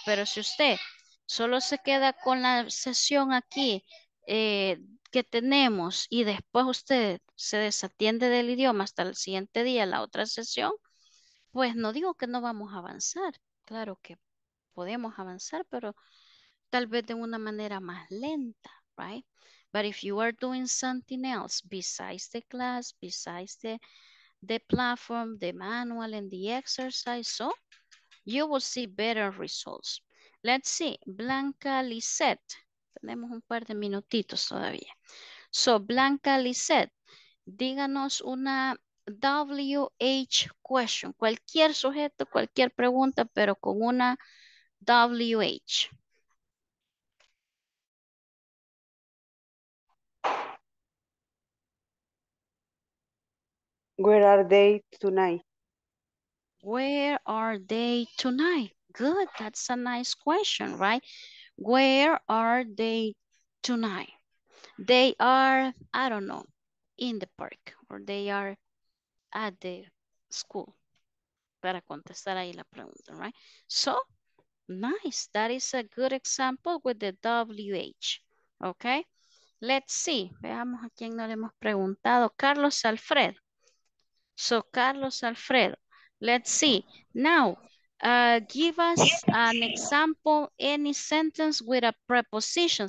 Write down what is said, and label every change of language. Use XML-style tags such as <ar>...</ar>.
<es>Pero si usted solo se queda con la sesión aquí que tenemos y después usted se desatiende del idioma hasta el siguiente día, la otra sesión, pues no digo que no vamos a avanzar. Claro que podemos avanzar, pero tal vez de una manera más lenta, right?</es> <en>But if you are doing something else besides the class, besides the platform, the manual, and the exercise, so you will see better results. Let's see,</en> <es>Blanca Lisette. Tenemos un par de minutitos todavía. So, Blanca Lisette, díganos una WH question. Cualquier sujeto, cualquier pregunta, pero con una WH.</es> <en>Where are they tonight? Where are they tonight? Good, that's a nice question, right? Where are they tonight? They are, I don't know, in the park, or they are at the school.</en> <es>Para contestar ahí la pregunta,</es> <en>right? So, nice, that is a good example with the WH, okay? Let's see,</en> <es>veamos a quién no le hemos preguntado.</es> <en>Carlos Alfredo. So, Carlos Alfredo, let's see. Now, give us an example, any sentence with a preposition.</en>